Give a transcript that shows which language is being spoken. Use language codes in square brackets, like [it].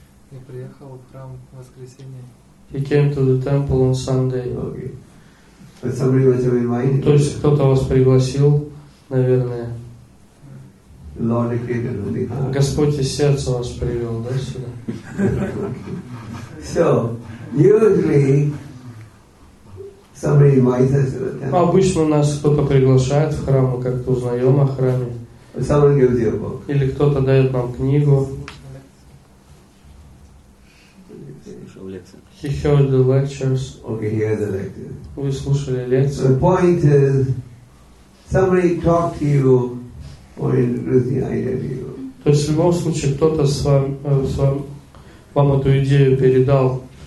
[ru] Я приехал в храм в воскресенье. [en] He came to the temple on Sunday. Okay. But somebody was invited. [ru] То есть кто-то вас пригласил, наверное. [en] Lord created the heart. [ru] Господь из сердца вас привел, да, сюда? [en] So, usually, somebody invites us to the temple. [ru] Обычно нас кто-то приглашает в храм, мы как-то узнаем о храме. [en] Someone gives you a book. [ru] Или кто-то дает нам книгу. [en] He heard the lectures. Okay, he heard the lectures. [ru] Вы слушали лекции. [en] The point is, somebody talked to you or introduced the idea to you. [ru] То есть в любом случае кто-то вам эту идею передал.